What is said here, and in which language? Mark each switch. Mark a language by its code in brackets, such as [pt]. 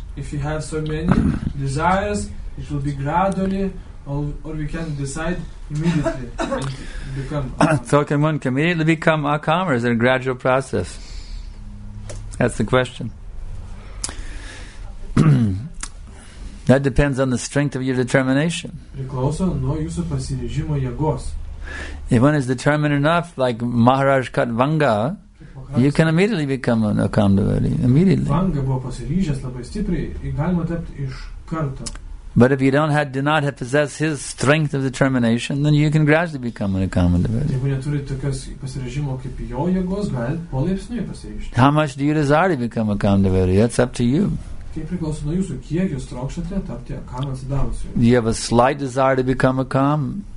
[en] If you have so many desires, it will be gradually, or we can decide immediately and become akamas. So can one immediately become akamas, or is it a gradual process? That's the question. That depends on the strength of your determination. [lt] Priklauso nuo jūsų pasiryžimo jėgos. [en] If one is determined enough, like Maharaj Katvanga, you can immediately become an akam devotee. Immediately. [lt] Vanga buvo pasiryžęs labai stipriai, galima tapti iš karto. [en] But if you do not have possess his strength of determination, then you can gradually become an akam devotee. [lt] Jeigu neturi tokios pasiryžimo kaip jo jėgos, gali palaipsniui pasiryžti. [en] How much do you desire to become akam devotee? That's up to you. [lt] Kaip priklauso nuo jūsų, kiek jūs trokštate tapti akam devotee? [en] Do you have a slight desire to become akam?